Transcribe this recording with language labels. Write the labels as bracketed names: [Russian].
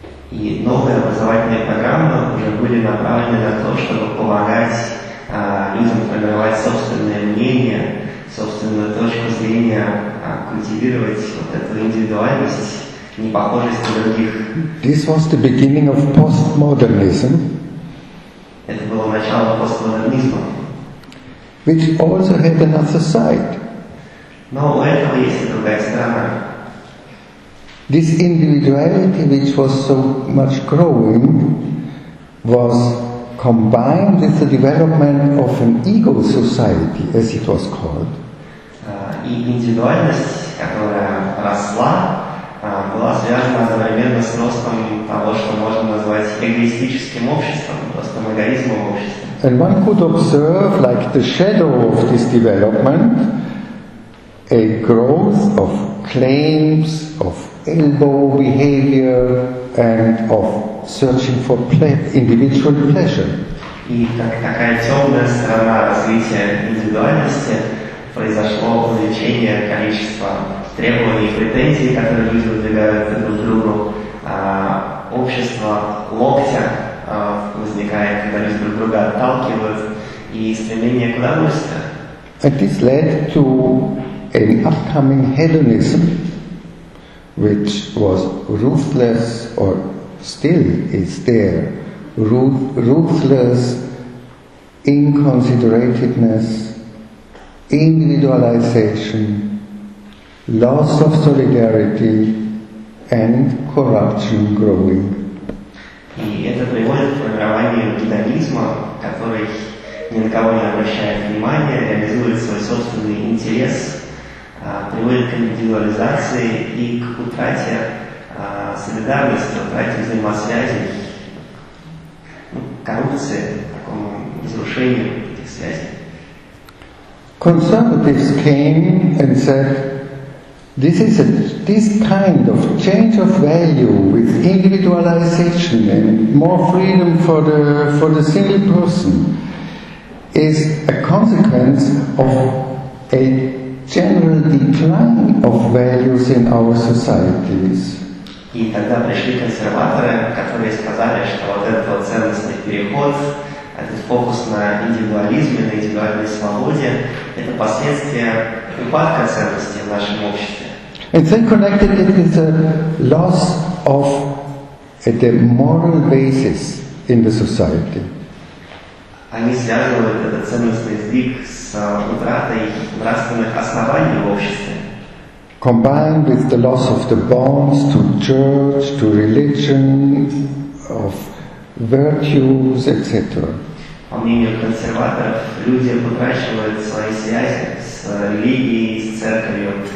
[Russian] И новые образовательные программы уже были направлены на то, чтобы помогать людям формировать собственное мнение, собственную точку зрения, культивировать вот эту индивидуальность, непохожесть на других. [English] This was the beginning of postmodernism. [Russian] Это было начало постмодернизма. [English] Which also had another side. [Russian] Но у этого есть и другая сторона. [English] This individuality, which was so much growing, was combined with the development of an ego society, as it was called. [Russian] И индивидуальность, которая росла, была связана одновременно с ростом того, что можно назвать эгоистическим обществом, просто эгоизмом обществом. [English] And one could observe, like the shadow of this development, a growth of claims, of elbow behavior, and of searching for individual pleasure. [Russian] И такая темная сторона развития индивидуальности произошло увеличение количества требований и претензий, которые люди выдвигают друг другу. Общество локтя возникает, когда люди друг друга отталкивают, и стремление к удовольствию. [English] And this led to an upcoming hedonism, which was ruthless, or still is there, ruthless inconsiderateness, individualization, loss of solidarity, and corruption growing. [Russian] И это приводит к формированию гедонизма, который ни на кого не обращает внимания, реализует свой собственный интерес, приводит к индивидуализации и к утрате солидарности, утрате взаимосвязей, коррупции, такому разрушению этих связей. [English] Conservatives came and said, this is a, this kind of change of value with individualization and more freedom for the single person is a consequence of a general decline of values in our societies. [Russian] И тогда пришли консерваторы, которые сказали, что вот этот вот ценностный переход, этот фокус на индивидуализме, на индивидуальной свободе, это последствия упадка ценностей в нашем обществе. [English] And then connected it with a loss of the moral basis in the society. [Russian] Они связывают этот ценностный сдвиг с утратой нравственных оснований в обществе. [English] Combined with the loss of the bonds to church, to religion, of virtues, etc. [Russian] По мнению консерваторов, люди утрачивают свои связи с религией, с церковью,